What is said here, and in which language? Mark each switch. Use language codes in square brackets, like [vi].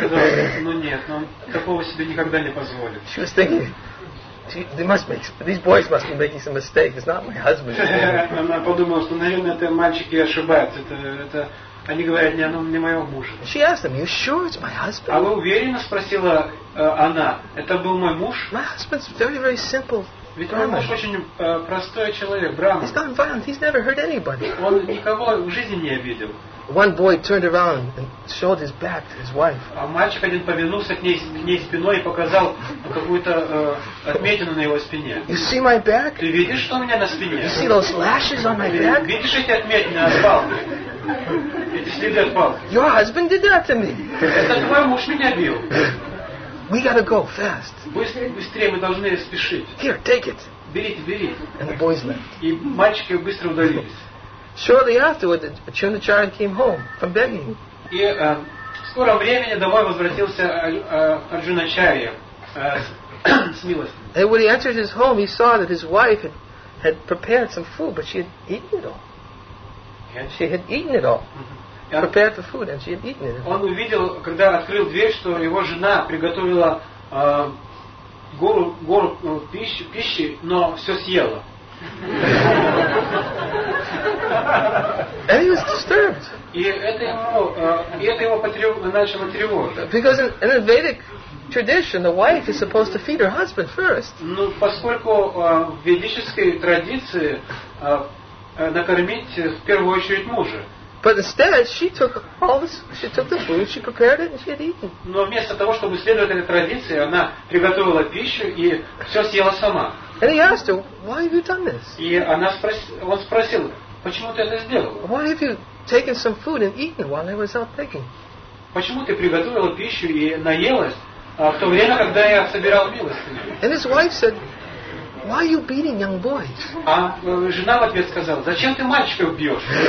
[en] said, "No, no, [ru] нет, но такого себе никогда не позволит." [en] She was thinking, these boys must be making some mistake. It's not my husband. [ru] Она подумала, что наверное это мальчики ошибаются. Это они говорят, не оно, не моего мужа. [en] She asked them, "You sure it's my husband?" [ru] А вы уверенно спросила она, это был мой муж? [en] My husband's very, very simple. [ru] Ведь мой муж очень простой человек, Брама. [en] He's not violent. He's never hurt anybody. [ru] Он никого в жизни не обидел. [en] One boy turned around and showed his back to his wife. [ru] А мальчик один повернулся к ней спиной и показал какую-то отметину на его спине. [en] You see my back? [ru] Ты видишь, что у меня на спине? [en] You see those lashes on my back? [ru] Видишь эти отметины от палки? Эти следы от палки? [en] Your husband did that to me. [ru] Это твой муж меня бил. [en] We gotta go fast. [ru] Быстрее, мы должны спешить. [en] Here, take it. [ru] Бери. [en] And the boys left. [ru] И мальчики быстро удалились. [en] Shortly afterward, Ajuna-chari came home from begging. [ru] И в скором времени домой возвратился Арджуна-чари с милостью. [en] And when he entered his home, he saw that his wife had prepared some food, but she had eaten it all. She had eaten it all. Prepared the food, and she had eaten it. [ru] Он увидел, когда открыл дверь, что его жена приготовила гору пищи, но все съела. [en] And he was disturbed. [ru] И это его начало тревожить. [en] Because in a Vedic tradition, the wife is supposed to feed her husband first. [ru] Ну, поскольку в ведической традиции накормить в первую очередь мужа. [en] But instead, she took the food, she prepared it, and she had eaten. [ru] Но вместо того, чтобы следовать этой традиции, она приготовила пищу и все съела сама. [en] And he asked her, "Why have you done this?" [ru] И он спросил, почему ты это сделал? [en] Why have you taken some food and eaten while I was out picking? [ru] Почему ты приготовила пищу и наелась в то время, когда я собирал милостыню? [en] And his wife said, "Why are you beating young boys?" [ru] А жена в ответ сказала, зачем ты мальчиков бьешь?